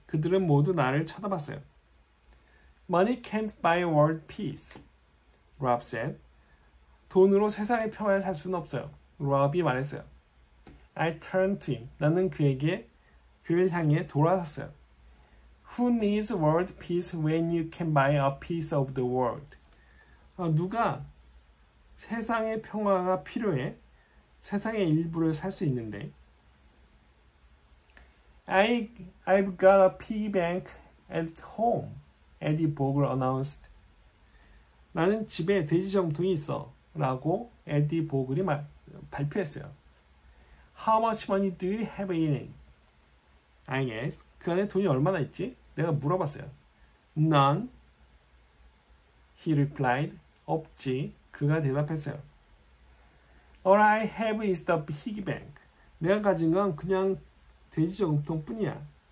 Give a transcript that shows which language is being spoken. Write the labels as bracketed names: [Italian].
[Korean] 그들은 모두 나를 쳐다봤어요. [English] Money can't buy world peace, Rob said. [Korean] 돈으로 세상의 평화를 살 수는 없어요. Rob이 말했어요. [English] I turned to him. [Korean] 나는 그에게 그를 향해 돌아섰어요. [English] Who needs world peace when you can buy a piece of the world? [Korean] 누가 세상의 평화가 필요해? 세상의 일부를 살수 있는데. [English] I've got a piggy bank at home, Eddie Bogle announced. [Korean] 나는 집에 돼지 정통이 있어. 라고 에디 보글이 발표했어요. [English] How much money do you have in it? I guess. [Korean] 그 안에 돈이 얼마나 있지? 내가 물어봤어요. [English] None. He replied. [Korean] 없지. 그가 대답했어요. [English] All I have is the piggy bank. [Korean] 내가 가진 건 그냥 돼지 정통뿐이야.